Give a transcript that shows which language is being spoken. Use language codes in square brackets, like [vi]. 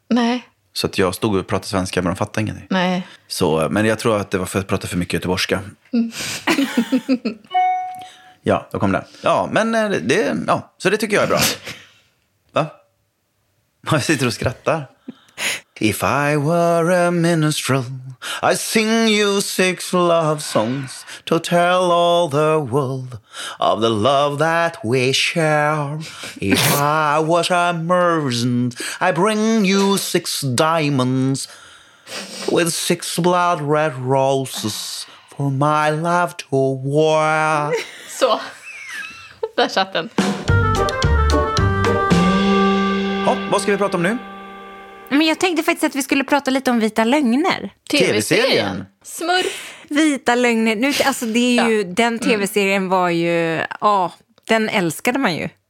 [sv] Nej. Så att jag stod och pratade svenska, men de fattade ingenting. Nej. Så, men jag tror att det var för att prata för mycket göteborgska. Ja, då kom det. Ja, men det... Ja, så det tycker jag är bra. Va? Jag sitter och skrattar. [en] If I were a minstrel, I'd sing you six love songs to tell all the world of the love that we share. If I was a merchant, I'd bring you six diamonds with six blood red roses for my love to wear. [sv] Så, där satt den. Hopp, vad ska vi prata om nu? Men jag tänkte faktiskt att vi skulle prata lite om Vita lögner. TV-serien. Smurf. Vita lögner. Nu, alltså det är ju, ja. Den TV-serien var ju... Ja, den älskade man ju.